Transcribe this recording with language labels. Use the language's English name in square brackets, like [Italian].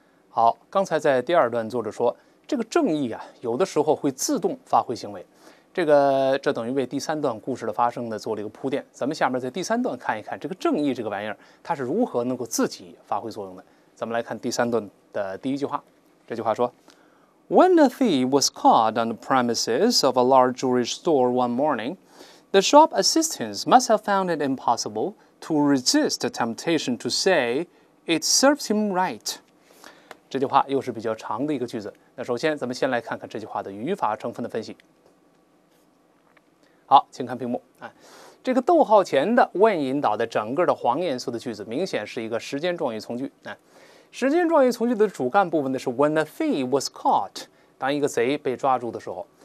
[Chinese] 好，刚才在第二段作者说，这个正义啊，有的时候会自动发挥行为，这等于为第三段故事的发生呢做了一个铺垫。咱们下面在第三段看一看这个正义这个玩意儿，它是如何能够自己发挥作用的。咱们来看第三段的第一句话，这句话说： [English] When a thief was caught on the premises of a large jewelry store one morning, the shop assistants must have found it impossible to resist the temptation to say, "It serves him right." [Chinese] 这句话又是比较长的一个句子。那首先，咱们先来看看这句话的语法成分的分析。好，请看屏幕啊，这个逗号前的 when 引导的整个的黄颜色的句子，明显是一个时间状语从句啊。时间状语从句的主干部分呢是 [English] when a thief was caught， [Chinese] 当一个贼被抓住的时候。